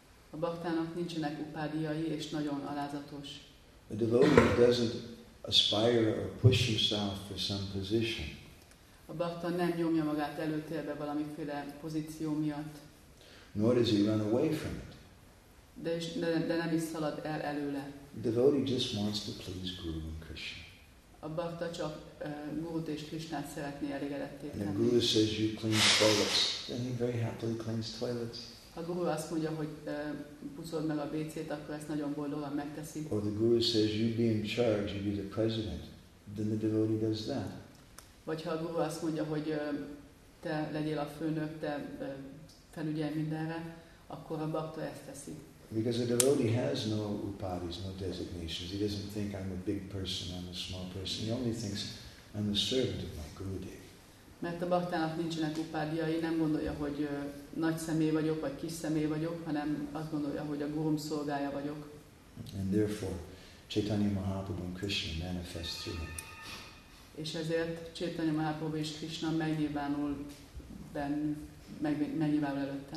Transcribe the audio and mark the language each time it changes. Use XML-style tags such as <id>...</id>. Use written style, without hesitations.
<hu>A baktának nincsenek upadiai, és nagyon alázatos.</hu> <en>A devotee doesn't aspire or push himself for some position.</en> <hu>A bakta nem nyomja magát előtérbe valamiféle pozíció miatt.</hu> <en>Nor does he run away from it.</en> <hu>De nem is szalad el előle.</hu> <en>A devotee just wants to please Guru and Krishna.</en> <hu>A bakta csak Gurut és Krisnát szeretné elégedetté tenni.</hu> <en>And the Guru says, you clean toilets. Then he very happily cleans toilets.</en> <hu>Ha a Guru azt mondja, hogy pucold meg a WC-t, akkor ezt nagyon boldogan megteszi.</hu> <en>Or the Guru says, you be in charge, you be the president. Then the devotee does that.</en> <hu>Vagy ha a Guru azt mondja, hogy te legyél a főnök, te felügyelj mindenre, akkor a bakta ezt teszi.</hu> <en>Because a devotee has no upadis, no designations. He doesn't think I'm a big person, I'm a small person. He only thinks I'm the servant of my Gurudev.</en> <hu>Mert a baktának nincsenek upádiai, nem gondolja, hogy nagy személy vagyok, vagy kis személy vagyok, hanem azt gondolja, hogy a gurum szolgája vagyok.</hu> <en>And therefore, Chaitanya Mahaprabhu and Krishna manifest through him.</en> <hu>És ezért Chaitanya Mahaprabhu és Krishna megnyilvánul megnyilvánul előtte.</hu>